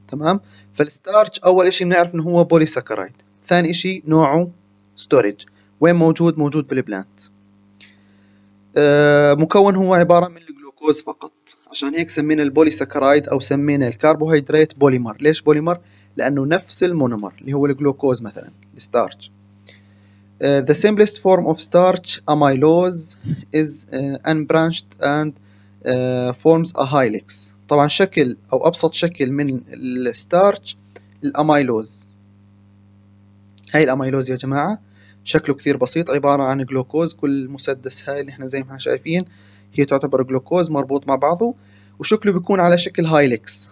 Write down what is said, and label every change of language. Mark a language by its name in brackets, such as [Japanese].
[Arabic] تمام، فالستارتش اول شيء بنعرف انه هو بوليسكرايد، ثاني شيء نوعه ستورج، وين موجود؟ موجود بالبلانت. مكون هو عبارة من الجلوكوز فقط، عشان هيك سمينا البوليسكرايد أو سمينا الكربوهيدرات بوليمر. ليش بوليمر؟ لأنه نفس المونومر اللي هو الجلوكوز مثلا الستارتش. [English] The simplest form of starch amylose is unbranched and forms a helix. [Arabic] طبعا شكل أو أبسط شكل من الستارتش الأمايلوز، هاي الأمايلوز يا جماعة شكله كثير بسيط، عبارة عن جلوكوز، كل مسدس هاي اللي احنا زي ما احنا شايفين هي تعتبر جلوكوز مربوط مع بعضه، وشكله بيكون على شكل هايلكس.